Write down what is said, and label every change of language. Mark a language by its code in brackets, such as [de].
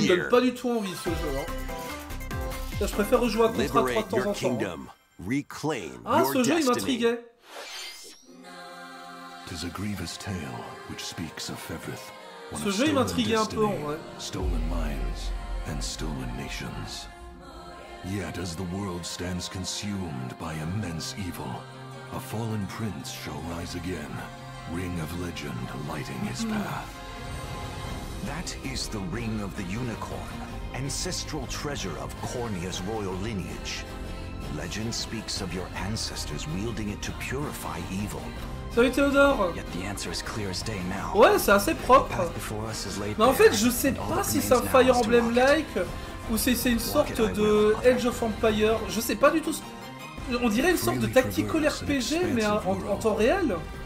[fr] Ah, il donne pas du tout envie ce jeu. Hein. Là, je préfère rejouer à Contra 3 de temps en temps. [en] Your kingdom, reclaim ah, your [fr] ce [en] destiny. [fr] Jeu il m'intriguait. [en] 'Tis a grievous tale which speaks of Fevrith. [fr] Ce jeu il m'intriguait un peu en vrai. [en] Stolen minds and stolen nations. Yet as the world stands consumed by immense evil, a fallen prince shall rise again. Ring of legend lighting his path. That is the ring of the unicorn, ancestral treasure of Cornia's royal lineage. Legend speaks of your ancestors wielding it to purify evil. [fr] Salut Théodore. [en] Yet the answer is clear as day now. [fr] Ouais, c'est assez propre. Mais en fait, je sais pas si c'est un Fire Emblem like ou si c'est une sorte de Age of Empire. Je sais pas du tout. On dirait une sorte de tactical RPG, mais en temps réel.